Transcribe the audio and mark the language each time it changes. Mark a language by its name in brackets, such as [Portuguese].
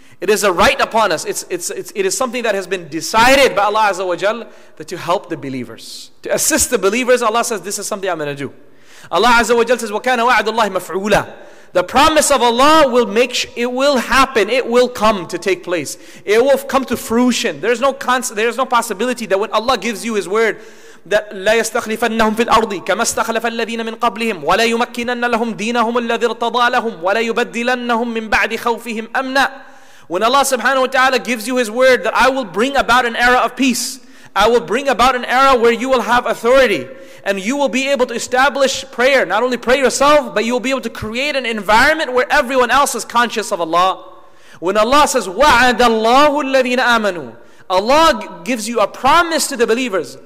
[English] It is a right upon us. It is something that has been decided by Allah Azza wa Jal that to help the believers, to assist the believers. Allah says, this is something I'm going to do. Allah Azza wa Jal says, [Arabic] وَكَانَ وَعَدُ اللَّهِ مَفْعُولًا. [English] The promise of Allah will make, it will happen. It will come to take place. It will come to fruition. There is no possibility that when Allah gives you His word, that [Arabic] لَا يَسْتَخْلِفَنَّهُمْ فِي الْأَرْضِ كَمَا اسْتَخْلَفَ الَّذِينَ مِنْ قَبْلِهِمْ وَلَا يُمَكِّنَنَّ لَهُمْ دِينَهُمُ الَّذِي ارْتَضَى لَهُمْ وَلَا يُبَدِّلَنَّهُمْ مِنْ بَعْدِ خَوْفِهِمْ أَمْنًا. [English] When Allah subhanahu wa ta'ala gives you His word that I will bring about an era of peace, I will bring about an era where you will have authority and you will be able to establish prayer, not only pray yourself, but you will be able to create an environment where everyone else is conscious of Allah. When Allah says, [Arabic] وَعَدَ اللَّهُ الَّذِينَ آمَنُوا, [English] Allah gives you a promise to the believers.